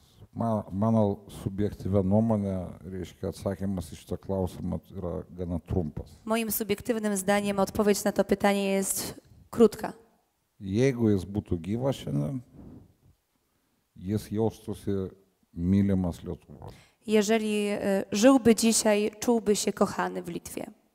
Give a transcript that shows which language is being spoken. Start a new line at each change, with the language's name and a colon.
Lithuanian: Mano subjektyvė nuomonė, reiškia, atsakymas į šitą klausimą yra gana trumpas.
Polish: Moim subjektyvinim zdaniem odpowiedź na to pytanie jest krótka.
Lithuanian: Jeigu jis būtų gyvas šiandien, jis jaustųsi mylimas Lietuvos.
Polish: Jeżeli żyłby dzisiaj, czułby się kochany w Litwie.